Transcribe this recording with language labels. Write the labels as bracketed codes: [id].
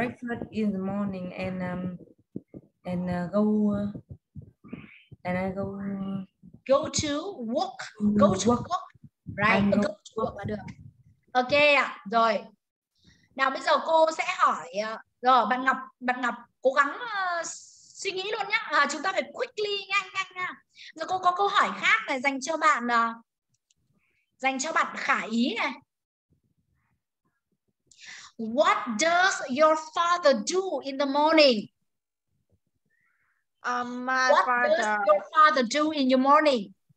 [en] Breakfast in the morning and go to work. Right. Go to work [vi] là được. [en] Okay ạ. Rồi. [vi] Nào bây giờ cô sẽ hỏi rồi bạn Ngọc cố gắng suy nghĩ luôn nhá. Chúng ta phải quickly nhanh nha. Rồi cô có câu hỏi khác này dành cho bạn Khả Ý này. [en] What does your father do in the morning? What does your father do in the morning?